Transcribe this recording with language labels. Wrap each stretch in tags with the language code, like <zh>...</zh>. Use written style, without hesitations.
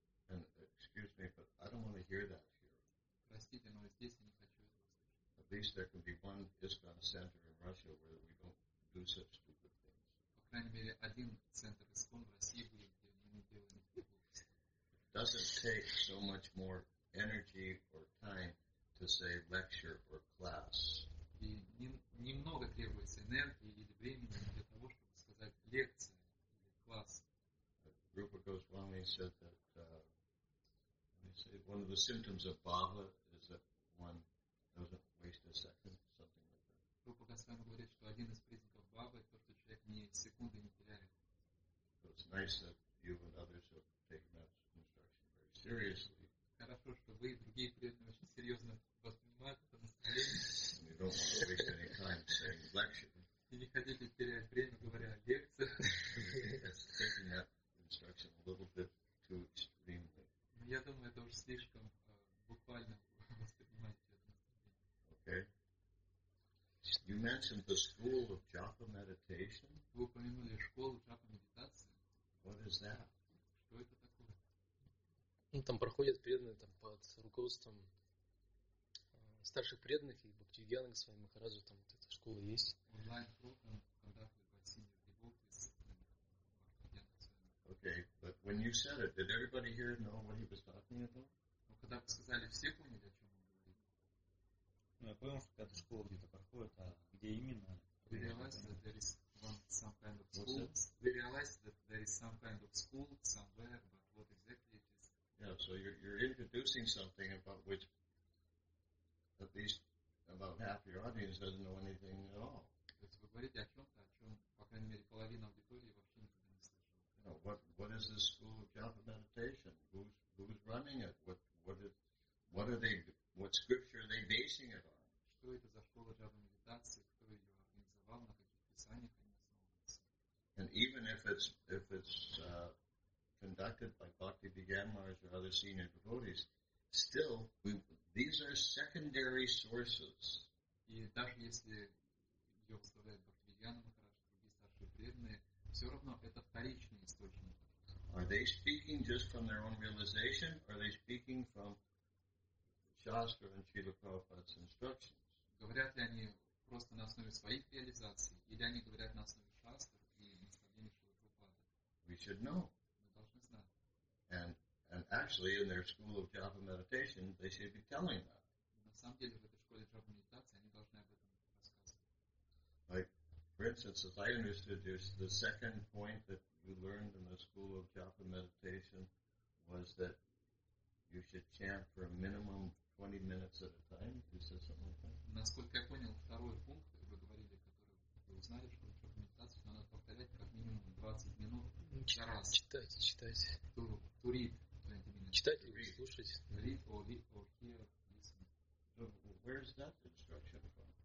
<en>And excuse me, but I don't want to hear that here.</en> <ru>Простите, но здесь я не хочу этого слышать.</ru> <en>At least there can be one ISKCON center in Russia where we don't do such stupid things.</en> <ru>По крайней мере, один центр ISKCON в России будет, где мы не делаем ничего.</ru> <en>It doesn't take so much more energy or time to say lecture or class.</en> <ru>И немного требуется энергии или времени для того, чтобы сказать лекция.</ru> <en>Rupa Goswami said that one of the symptoms of bhava is that one doesn't waste a second, something like that.</en> <ru>Rupa Goswami говорит, что один из признаков бхавы это то, что человек ни секунды не теряет.</ru> <en>So it's nice that you and others have taken that instruction very seriously.</en> <ru>Хорошо, что вы и другие преданные очень серьезно воспринимаете это наставление.</ru> <en>And you don't want to waste any time saying lecture.</en> <ru>И не хотите терять время, говоря о лекциях. Но я думаю, это уже слишком буквально воспринимать это.</ru> <en>Okay. You mentioned the school of japa meditation.</en> <ru>Вы упомянули школу джапа медитации.</ru> <en>What is that?</en> <ru>Что это такое? Ну, там проходят преданные там под руководством старших преданных, и Бхактивиданта Госвами Махараджа, там вот эта школа есть. Онлайн-проком, когда вы просили девоты с Бхактивиданта Госвами.</ru> <en>Okay, but when you said it, did everybody here know what he was talking about?</en> <ru>Ну, когда вы сказали, все поняли, о чем он говорит? Ну, я понял, что какая-то школа где-то проходит, а где именно?</ru> <en>We realized that there is some kind of school. We realized that there is some kind of school somewhere, but what exactly it is? Yeah, so you're introducing something about which at least about half your audience doesn't know anything at all.</en> <ru>Вы говорите о чем-то, о чем, по крайней мере, половина аудитории вообще никогда не слышала.</ru> <en>What is this school of japa meditation? Who's running it? What scripture are they basing it on?</en> <ru>Что это за школа джапа медитации? Кто ее организовал? На каких писаниях они основываются?</ru> <en>And even if it's conducted by Bhakti Vigyanmars or other senior devotees, still, these are secondary sources.</en> <ru>И даже если ее вставляют Бхактивиданта Махараджа, другие старшие преданные, все равно это вторичные источники.</ru> <en>Are they speaking just from their own realization? Or are they speaking from Shastra and Srila Prabhupada's instructions?</en> <ru>Говорят ли они просто на основе своих реализаций, или они говорят на основе Шастр и наставления Шрилы Прабхупады?</ru> <en>We should know.</en> <ru>Мы должны знать.</ru> <en>And actually, in their school of japa meditation, they should be telling that.</en> <ru>На самом деле, в этой школе джапа медитации они должны об этом рассказывать.</ru> <en>Like, for instance, as I understood, the second point that you learned in the school of japa meditation was that you should chant for a minimum 20 minutes at a time. You said something like that.</en> <ru>Насколько я понял, второй пункт, вы говорили, который вы узнали в школе джапа медитации, надо повторять как минимум 20 минут за раз. Читать.</ru> <en>To read.</en> <ru>Читать или слушать.</ru> <en>So, where is that instruction from?</en>